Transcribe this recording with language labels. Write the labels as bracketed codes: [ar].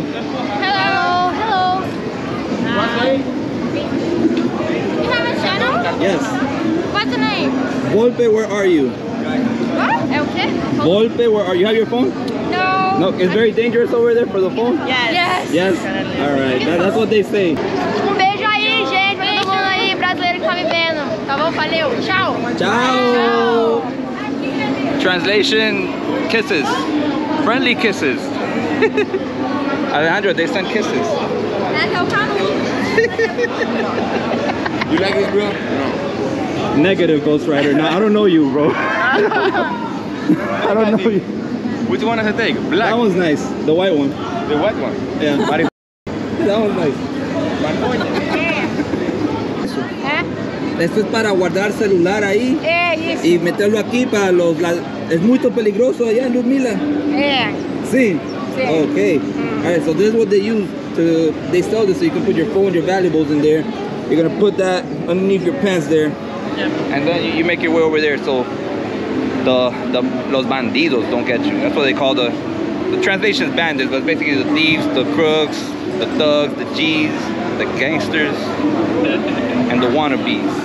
[en] Hello. You have a channel? Yes. What's the name? Volpe, where are you? What? Volpe, where are you? You have your phone? No, it's very dangerous over there for the phone? Yes. All right, that's what they say. [pt] Um beijo aí, gente, pra todo mundo aí, brasileiro que tá me vendo. Tá bom, valeu. Tchau. Tchau. [en] Translation, kisses. Friendly kisses. Alejandro, they send kisses. You like this, bro? No. Negative, Ghost Rider. No, I don't know you, bro. I don't know you. Which one does it take? Black. That one's nice. The white one. The white one? Yeah. That one's nice. [es] Esto es para guardar celular ahí y meterlo aquí para los es muy peligroso allá en Ludmila. Sí. [en] Okay. Mm. All right. So this is what they use to they sell this so you can put your phone, your valuables in there. You're gonna put that underneath your pants there. Yeah. And then you make your way over there so the [es] los bandidos [en] don't get you. That's what they call the translation is bandits, but basically the thieves, the crooks, the thugs, the G's, the gangsters. And the wannabes.